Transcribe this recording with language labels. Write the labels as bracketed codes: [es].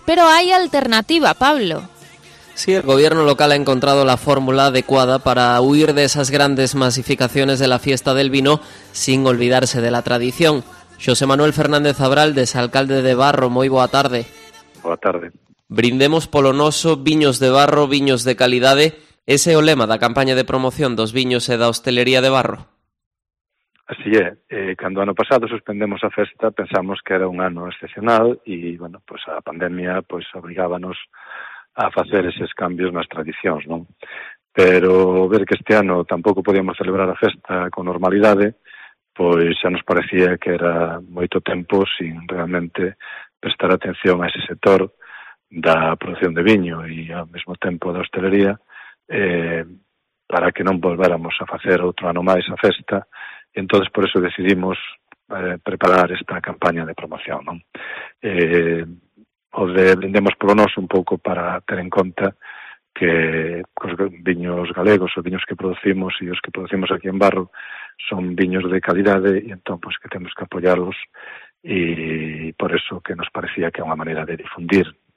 [es] Pero hay alternativa, Pablo. Sí, el gobierno local ha encontrado la fórmula adecuada para huir de esas grandes masificaciones de la fiesta del vino sin olvidarse de la tradición. José Manuel Fernández Abraldes, alcalde de Barro, muy [gl] boa tarde. Boa tarde. Brindemos polo noso, viños de Barro, viños de calidade. Ese é o lema da campaña de promoción dos viños e da hostelería de Barro. Así é. Cando ano pasado suspendemos a festa, pensamos que era un ano excepcional e, bueno, pues a pandemia pues obrigábanos a facer eses cambios nas tradicións, non? Pero ver que este ano tampouco podíamos celebrar a festa con normalidade, pois xa nos parecía que era moito tempo sin realmente prestar atención a ese sector da producción de viño e ao mesmo tempo da hostelería, para que non volváramos a facer outro ano máis a festa. E entonces por eso decidimos preparar esta campaña de promoción, non? O de brindemos polo noso un pouco para ter en conta que os viños galegos, os viños que producimos e os que producimos aquí en Barro son viños de calidade e entón pois, que temos que apoiarlos e por eso que nos parecía que é unha maneira de difundir